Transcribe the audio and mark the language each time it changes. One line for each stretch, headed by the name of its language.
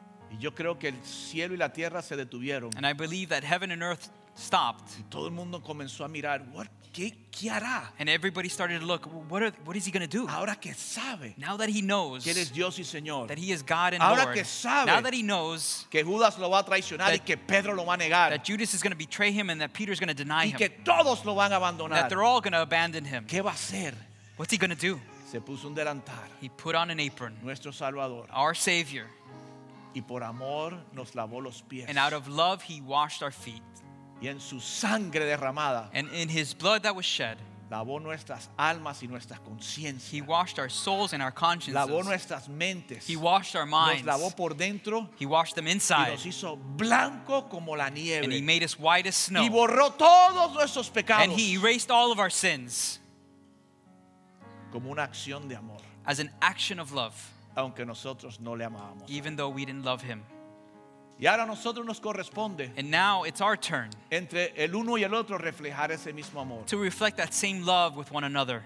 Spanish: Y yo creo que el cielo y la tierra se detuvieron.
English: And I believe that heaven and earth stopped.
Spanish: Y todo el mundo comenzó a mirar, ¿qué hará?
English: And everybody started to look, what is he going to do?
Spanish: Ahora que sabe.
English: Now that he knows.
Spanish: Que él es Dios y Señor.
English: That he is God and
Spanish: ahora
English: Lord.
Spanish: Que sabe.
English: Now that he knows.
Spanish: Que Judas lo va a traicionar y que Pedro lo va a negar.
English: That Judas is going to betray him and that Peter is going to deny
Spanish: y
English: him.
Spanish: Y que todos lo van a abandonar.
English: That they're all going to abandon him.
Spanish: ¿Qué va a hacer?
English: What's he going to do?
Spanish: Se puso un delantal.
English: He put on an apron.
Spanish: Nuestro Salvador.
English: Our Savior.
Spanish: Y por amor nos lavó los pies.
English: And out of love he washed our feet.
Spanish: Y en su sangre derramada.
English: And in his blood that was shed.
Spanish: Lavó nuestras almas y nuestras conciencias.
English: He washed our souls and our consciences.
Spanish: Lavó nuestras mentes.
English: He washed our minds.
Spanish: Nos lavó por dentro.
English: He washed them inside.
Spanish: Y nos hizo blanco como la nieve.
English: And he made us white as snow.
Spanish: Y borró todos nuestros pecados.
English: And he erased all of our sins.
Spanish: Como una acción de amor.
English: As an action of love.
Spanish: Aunque nosotros no le amábamos.
English: Even though we didn't love him.
Spanish: Y ahora nosotros nos corresponde.
English: And now it's our turn.
Spanish: Entre el uno y el otro reflejar ese mismo amor.
English: To reflect that same love with one another.